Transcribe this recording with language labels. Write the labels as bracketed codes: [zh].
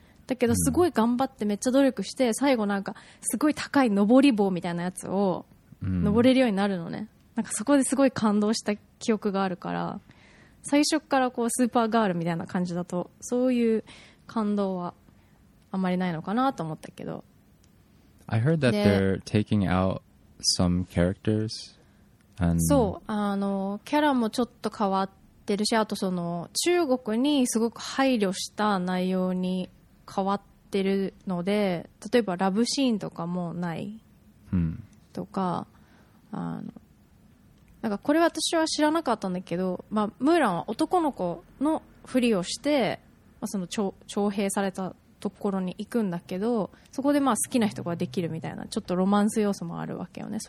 [ja] だけどすごい頑張ってめっちゃ努力して、最後なんかすごい高い登り棒みたいなやつを登れるようになるのね。なんかそこですごい感動した記憶があるから、最初からこうスーパーガールみたいな感じだとそういう感動はあんまりないのかなと思ったけど。 [en] I heard that they're taking out some characters and... [ja] そう、あのキャラもちょっと変わってるし、あとその中国にすごく配慮した内容に変わってるので、例えばラブシーンとかもないとか、あのなんかこれは私は知らなかったんだけど、まあ、ムーランは男の子のふりをして、まあ、その徴兵されたところに行くんだけど、そこでまあ好きな人ができるみたいな、ちょっとロマンス要素もあるわけよね。